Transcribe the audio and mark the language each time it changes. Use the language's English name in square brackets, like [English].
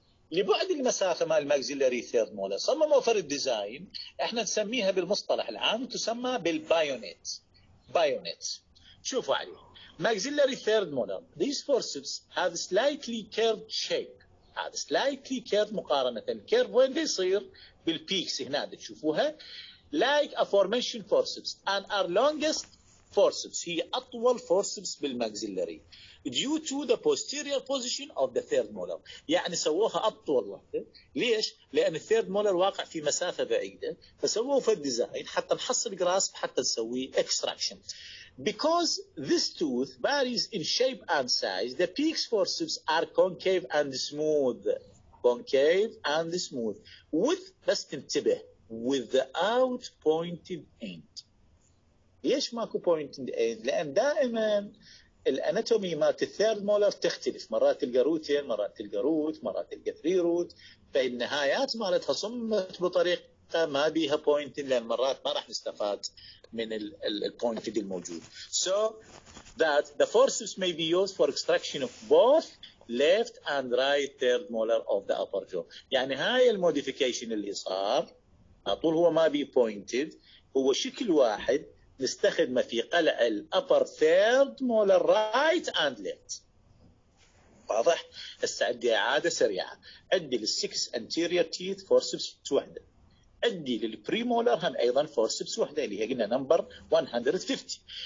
[Arabic] لبعد المسافه مع الماكسيلري ثيرد مولر صمموا فرد ديزاين، احنا نسميها بالمصطلح العام تسمى بالبايونيت. بايونيت شوفوا عليه ماكسيلري ثيرد مولر، ذيس فورسز هاف سلايتلي كيرد شيب، هذا سلايتلي كيرد مقارنه الكيرف وين يصير بالبيكس هنا تشوفوها. [English] Like aforementioned forceps and are longest forceps. [Arabic] هي أطول [English] forceps بالmaxillary due to the posterior position of the third molar. [Arabic] يعني سووها أطول واحدة. ليش؟ لأن third molar واقع في مسافة بعيدة، فسووا في الديزاين حتى نحصل grasp حتى نسوي extraction. [English] Because this tooth varies in shape and size, the peaks forceps are concave and smooth. Concave and smooth. [Arabic] With بس تنتبه. [English] Without pointed end. [Arabic] ليش ماكو pointed end؟ لأن دائما الأناتومي مالت الثيرد مولر تختلف، مرات تلقى روتين، مرات تلقى روت، مرات تلقى ثري روت، فالنهايات مالتها صمت بطريقة ما بيها pointed، لأن مرات ما راح نستفاد من ال pointed الموجود. [English] So that the forceps may be used for extraction of both left and right third molar of the upper jaw. [Arabic] يعني هاي الموديفيكيشن اللي صار أطول هو ما بي pointed، هو شكل واحد نستخدمه في قلع الأبر ثيرد مولر رايت أند ليفت. واضح؟ هسه عندي إعادة سريعة، عندي للسكس أنتيريور تيث فورسبس وحدة، عندي للبريمولر هم أيضا فورسبس وحدة اللي هي قلنا نمبر 150،